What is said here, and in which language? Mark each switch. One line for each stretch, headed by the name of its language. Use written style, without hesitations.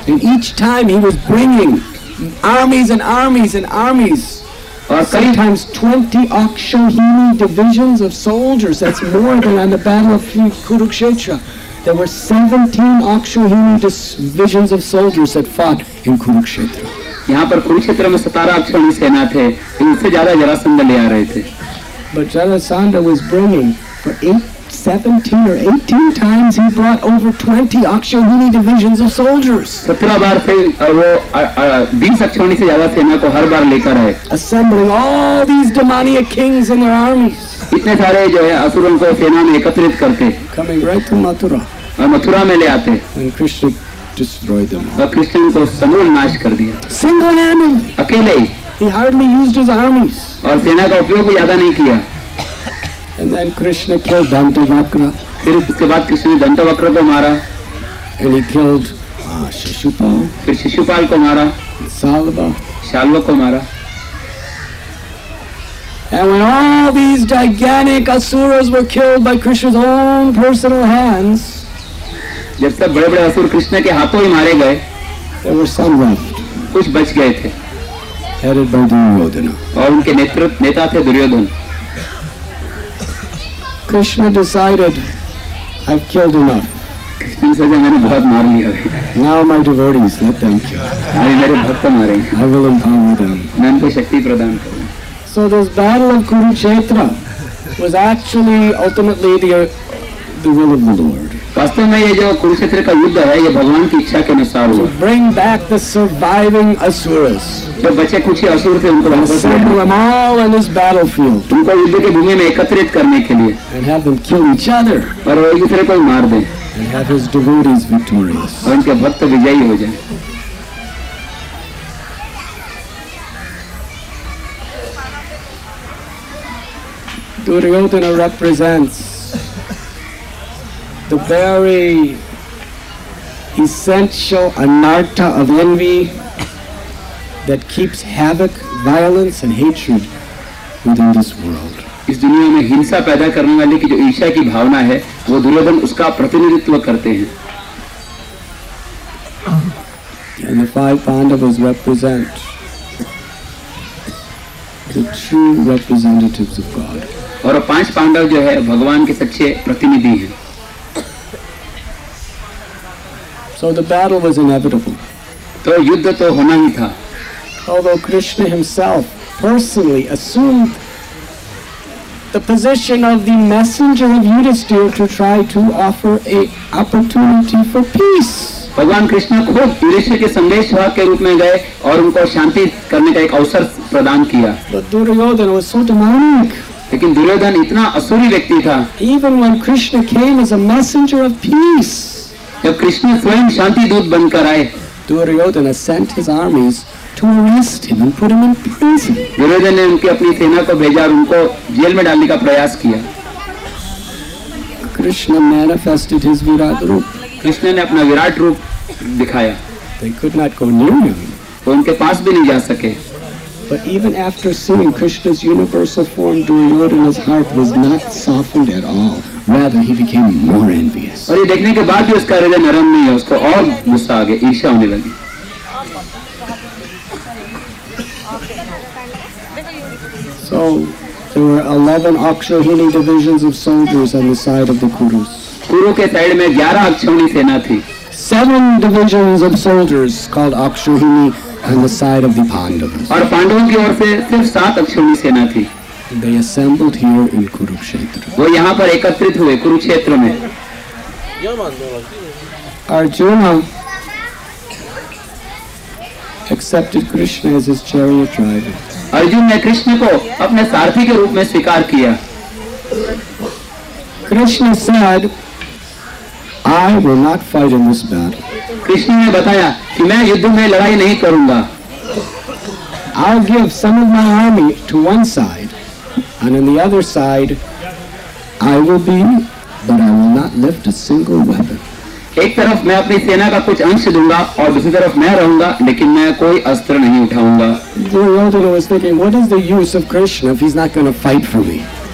English: And each time he was bringing armies and armies and armies.
Hindi: Aur
English: sometimes 20 Akshahini divisions of soldiers. That's more than on the battle of Kurukshetra. There were 17 Akshohini divisions of soldiers that fought in Kurukshetra.
Hindi: यहाँ पर कुरुक्षेत्र में 17 अक्षौहिणी सेना थे, इनसे ज्यादा जरासंध ले आ रहे थे।
English: But Jarasandha was bringing for 17 or 18 times he brought over 20 Akshohini divisions of soldiers.
Hindi: 17 बार से वो 20 अक्षौहिणी से ज्यादा सेना को हर बार लेकर आए।
English: Assembling all these demoniac kings and their armies.
Hindi: इतने सारे जो है असुरों को सेना में एकत्रित करके।
English: Coming right to Mathura.
Hindi: और मथुरा में ले आते।
English: And Krishna destroyed them.
Hindi: और कृष्ण को समूल नाश कर दिया।
English: Single-handed.
Hindi: अकेले।
English: He hardly used his armies.
Hindi: और सेना का उपयोग भी ज्यादा नहीं किया।
English: And then Krishna killed Dantavakra.
Hindi: फिर उसके बाद कृष्ण ने दंतवक्र को मारा।
English: And he killed Shishupal.
Hindi: फिर शिशुपाल को मारा।
English: Salva.
Hindi: शाल्व को मारा।
English: And when all these gigantic asuras were killed by Krishna's own personal hands,
Hindi: जब सब बड़े-बड़े असुर कृष्ण के हाथों ही मारे गए,
English: there were some left.
Hindi: कुछ बच गए थे.
English: Headed by Duryodhana.
Hindi: और उनके नेतृत्व नेता थे Duryodhan.
English: Krishna decided, I've killed enough.
Hindi: Krishna सोचे मैंने बहुत मार लिया.
English: Now my devotees, let them kill.
Hindi: अभी मेरे भक्त मारें.
English: I will empower them.
Hindi: मैं उनको शक्ति प्रदान करूं.
English: So this battle of Kurukshetra was actually ultimately the will of the Lord.
Hindi: वास्तव में ये जो कुरुक्षेत्र का युद्ध है ये भगवान की इच्छा के अनुसार हुआ.
English: Bring back the surviving asuras.
Hindi: जो बचे कुछ ही असुर थे उनको वापस लाओ.
English: Assemble them all on this battlefield.
Hindi: उनको युद्ध के भूमि में एकत्रित करने के लिए.
English: And have them kill each other.
Hindi: और एक दूसरे को मार दें.
English: And have his devotees victorious.
Hindi: और उनके भक्त विजयी हो जाएं.
English: Duryodhana represents the very essential anartha of envy that keeps havoc, violence, and hatred within this world.
Hindi: इस दुनिया में हिंसा पैदा करने वाली की जो ईर्ष्या की भावना है, वो दुर्योधन उसका प्रतिनिधित्व करते हैं.
English: And the five Pandavas represent the true representatives of God.
Hindi: और पांच पांडव जो है भगवान के सच्चे प्रतिनिधि हैं.
English: So the battle was inevitable.
Hindi: तो युद्ध तो होना ही था.
English: Although Krishna himself personally assumed the position of the messenger of Yudhisthira to try to offer a opportunity for peace.
Hindi: भगवान कृष्ण खुद युधिष्ठिर के संदेशवाहक के रूप में गए और उनको शांति करने का एक अवसर प्रदान किया.
English: But Duryodhana was so demonic.
Hindi: लेकिन दुर्योधन इतना असुरी व्यक्ति था.
English: Even when Krishna came as a messenger of peace,
Hindi: जब कृष्ण स्वयं शांति दूत बनकर आए,
English: Duryodhana sent his armies to arrest him and put him in prison.
Hindi: Duryodhan ने उनकी अपनी सेना को भेजा और उनको जेल में डालने का प्रयास किया.
English: Krishna manifested his virat roop.
Hindi: Krishna ने अपना विराट रूप दिखाया.
English: They could not go near him.
Hindi: वो उनके पास भी नहीं जा सके.
English: But even after seeing Krishna's universal form, Duryodhana's heart was not softened at all. Rather, he became more envious.
Hindi: और ये देखने के बाद भी उसका हृदय नरम नहीं है, उसको और गुस्सा आ गया, ईर्ष्या होने लगी.
English: So there were 11 Akshohini divisions of soldiers on the side of the Kurus.
Hindi: कुरु के साइड में 11 अक्षौहिणी सेना थी.
English: 7 divisions of soldiers called Akshohini on the side of the Pandavas.
Hindi: और पांडवों की ओर से सिर्फ 7 अक्षौहिणी सेना थी.
English: They assembled here in Kurukshetra.
Hindi: वो यहाँ पर एकत्रित हुए कुरुक्षेत्र में.
English: Arjuna accepted Krishna as his chariot driver.
Hindi: Arjun ने कृष्ण को अपने सारथी के रूप में स्वीकार किया.
English: Krishna said, I will not fight in this battle.
Hindi: Krishna ने बताया कि मैं युद्ध में लड़ाई नहीं करूंगा.
English: I'll give some of my army to one side, and on the other side, I will be, but I will not lift a single weapon.
Hindi: एक तरफ मैं अपनी सेना का कुछ अंश दूंगा और दूसरी तरफ मैं रहूंगा, लेकिन मैं कोई अस्त्र नहीं उठाऊंगा.
English: Duryodhana was thinking, what is the use of Krishna if he's not going to fight for me?